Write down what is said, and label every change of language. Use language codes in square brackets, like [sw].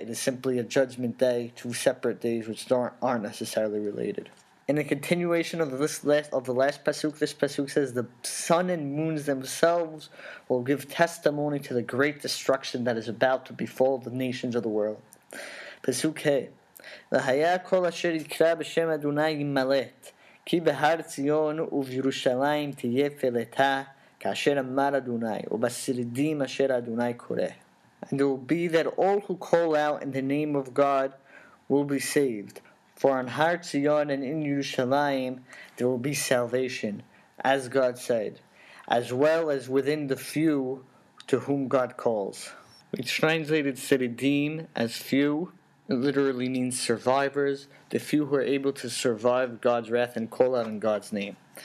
[en] It is simply a judgment day, two separate days which aren't necessarily related. In the continuation of the last pasuk, this pasuk says the sun and moons themselves will give testimony to the great destruction that is about to befall the nations of the world. [he] Pasuk Hey. V'haya kol asher yikra b'shem Adonai yimalet. כי בהר ציון ובירושלים תהיה פלטה כאשר אמר אדוני ובשרידים אשר אדוני קורא. [en] And it will be that all who call out in the name of God will be saved. For on Har Zion and in Yerushalayim there will be salvation, as God said, as well as within the few to whom God calls. We translated Siridim as few. It literally means survivors, the few who are able to survive God's wrath and call out in God's name.